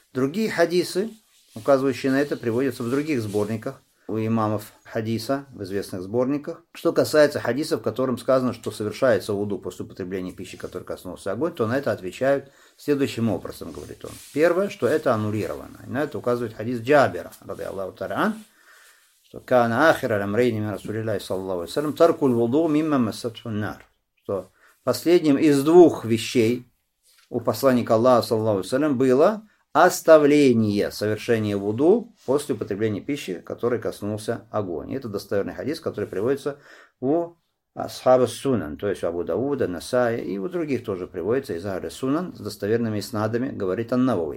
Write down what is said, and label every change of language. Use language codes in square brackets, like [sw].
[ru] Другие хадисы, указывающие на это, приводятся в других сборниках у имамов хадиса, в известных сборниках. Что касается хадиса, в котором сказано, что совершается вуду после употребления пищи, которая коснулась огонь, то на это отвечают следующим образом, говорит он. Первое, что это аннулировано. На это указывает хадис Джабира, радиаллаху та'ала, [ar] كان آخر الأمرين من رسول الله صلى الله عليه وسلم ترك الوضوء مما مسته النار. [ru] Что последним из двух вещей у посланника Аллаха, саллаллаху алейхи ва саллям, было оставление совершения вуду после употребления пищи, которой коснулся огонь. И это достоверный хадис, который приводится у Асхаба Сунан, то есть у Абу Дауда, Насая и у других тоже приводится из Ахли Сунан с достоверными снадами, говорит Ан-Навави.